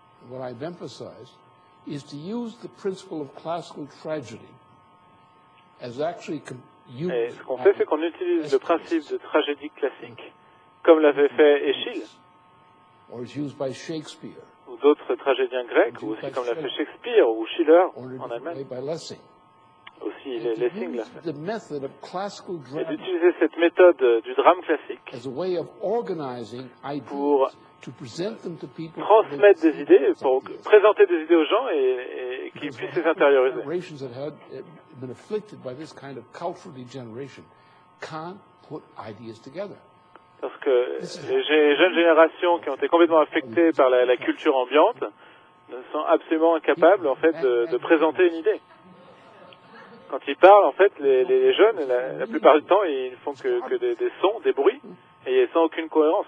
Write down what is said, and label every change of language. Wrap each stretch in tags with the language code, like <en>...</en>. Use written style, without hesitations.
<en>what I've emphasized is to use the principle of classical tragedy as actually used.</en> <fr>Ce qu'on fait, c'est qu'on utilise le principe de tragédie classique, comme l'avait fait Eschyle,</fr> <en>or is used by Shakespeare,</en> <fr>ou d'autres tragédiens grecs, ou aussi comme l'a fait Shakespeare ou Schiller en Allemagne, aussi aussi les signes. Et d'utiliser cette méthode du drame classique pour transmettre des idées, pour présenter des idées aux gens et qu'ils puissent les intérioriser.</fr> <en>Been afflicted by this kind of cultural degeneration can't put ideas together.</en> <fr>Parce que les jeunes générations qui ont été complètement affectées par la culture ambiante ne sont absolument incapables en fait de présenter une idée. Quand ils parlent en fait les jeunes la plupart du temps ils font que des sons, des bruits et sans aucune cohérence.</fr>